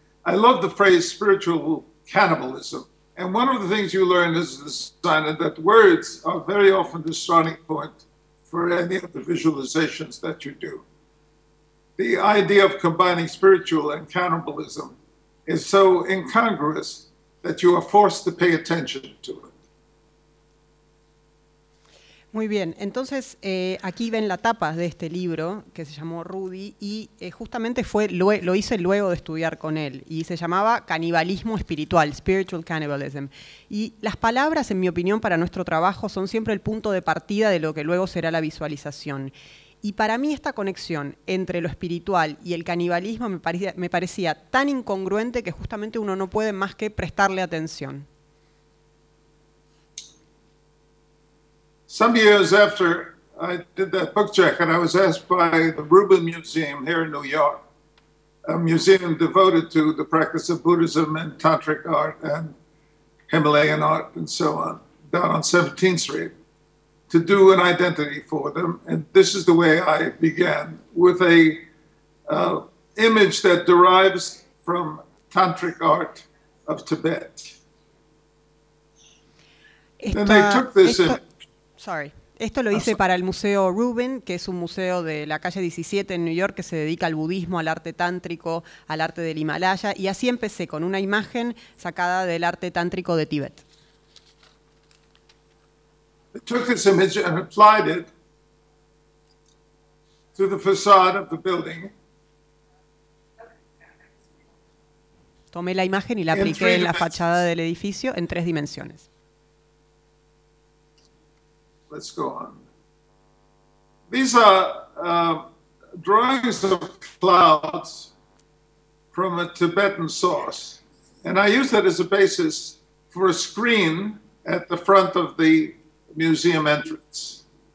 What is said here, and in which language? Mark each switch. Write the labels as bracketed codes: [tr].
[en] I love the phrase spiritual cannibalism. And one of the things you learn as a designer that words are very often the starting point for any of the visualizations that you do. The idea of combining spiritual and cannibalism is so incongruous that you are forced to pay attention to it. [es] Muy bien, entonces aquí ven la tapa de este libro que se llamó Rudy y justamente fue lo hice luego de estudiar con él y se llamaba canibalismo espiritual, [en] spiritual cannibalism. [es] Y las palabras, en mi opinión, para nuestro trabajo son siempre el punto de partida de lo que luego será la visualización. Y para mí esta conexión entre lo espiritual y el canibalismo me parecía tan incongruente que justamente uno no puede más que prestarle atención. [en] Some years after I did that book jacket, I was asked by the Rubin Museum here in New York, a museum devoted to the practice of Buddhism and Tantric art and Himalayan art and so on, down on 17th Street, to do an identity for them. And this is the way I began, with a image that derives from Tantric art of Tibet. Then they took this image. [es] Esto lo hice para el Museo Rubin, que es un museo de la calle 17 en New York que se dedica al budismo, al arte tántrico, al arte del Himalaya. Y así empecé, con una imagen sacada del arte tántrico de Tíbet. [en] I took this image and applied it to the facade of the building. [es] Tomé la imagen y la apliqué en la fachada del edificio en tres dimensiones. [en] Let's go on. These are drawings of clouds from a Tibetan source. And I use that as a basis for a screen at the front of the museum entrance.